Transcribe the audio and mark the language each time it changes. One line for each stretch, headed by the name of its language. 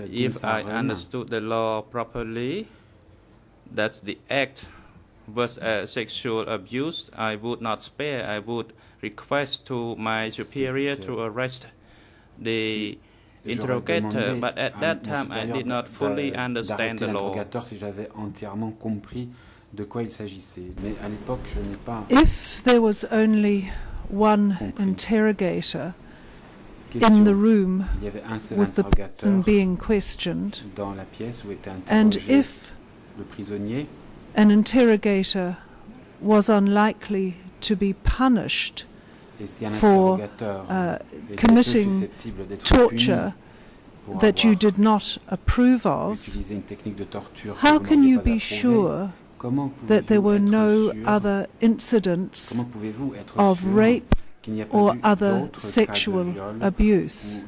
English: if I understood the law properly, that's the act was sexual abuse, I would not spare. I would request to my superior to arrest the interrogator. But at that time, I did not fully understand the law.
French: Si j'avais entièrement compris de quoi il s'agissait. Mais à l'époque, je n'ai pas.
English: If there was only one interrogator in the room with the person being questioned,
French: dans la pièce où était interrogé,
English: and if
French: le prisonnier,
English: an interrogator was unlikely to be punished for committing torture that you did not approve of, how can you be sure that there were no other incidents of rape or other sexual abuse?